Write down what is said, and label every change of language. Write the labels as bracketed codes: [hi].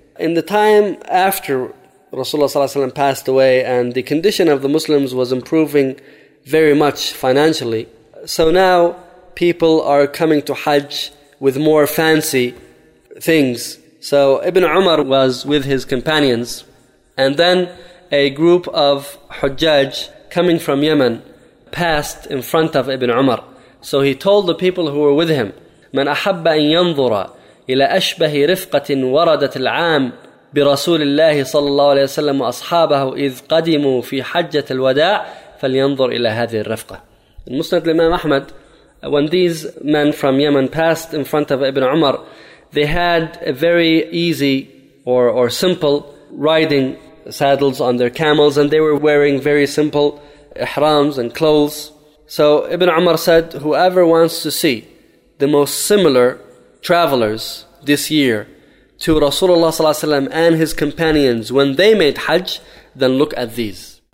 [en] In the time after Rasulullah ﷺ passed away and the condition of the Muslims was improving very much financially, so now people are coming to Hajj with more fancy things. So Ibn Umar was with his companions, and then a group of Hujjaj coming from Yemen passed in front of Ibn Umar. So he told the people who were with him, [ar] من أحب أن ينظر إلى أشبه رفقة وردت العام برسول الله صلى الله عليه وسلم وأصحابه إذ قدموا في حجة الوداع فلينظر إلى هذه الرفقة. [en] In Musnad Imam Ahmad, when these men from Yemen passed in front of Ibn Umar, they had a very easy or simple riding saddles on their camels, and they were wearing very simple ihrams and clothes. So Ibn Umar said, whoever wants to see the most similar travelers this year to Rasulullah ﷺ and his companions when they made Hajj, then look at these.